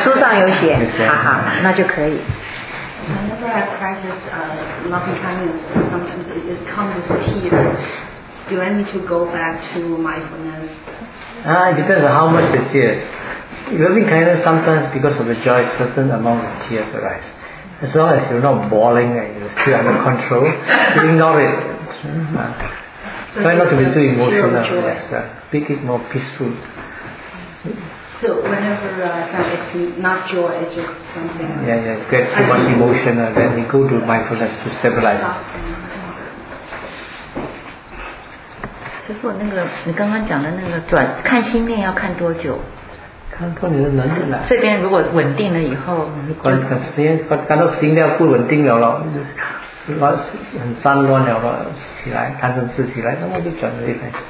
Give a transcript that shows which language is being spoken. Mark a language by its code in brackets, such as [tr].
[zh] 书上有写，哈哈，那就可以。 [en] Whenever I practice loving kindness, sometimes it comes with tears. Do I need to go back to mindfulness? It depends on how much the tears. Loving kindness sometimes because of the joy, certain amount of tears arise. As long as you're not bawling and you're still under control, you ignore it. Try not to be too emotional. Make it more peaceful. So whenever it's not joy, it's just something. Yeah, get too much emotional, then you go to mindfulness to stabilize. [zh] 师父，那个你刚刚讲的那个转看心念要看多久？看到你的能力了。这边如果稳定了以后，看到心念不稳定了了，很散乱了了，起来贪嗔痴起来，那么就转回来。